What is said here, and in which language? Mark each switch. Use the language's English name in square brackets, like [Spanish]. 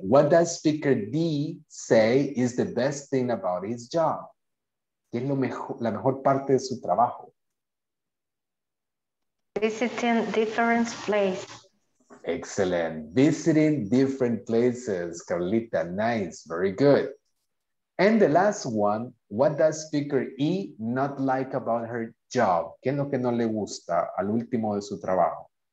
[English] What does speaker D say is the best thing about his job? [Spanish] ¿Qué es lo mejor, la mejor parte de su trabajo? [English] Visiting different places. Excellent. Visiting different places, Carlita. Nice. Very good. And the last one, what does speaker E not like about her job? [Spanish] ¿Qué es lo que no le gusta al último de su trabajo?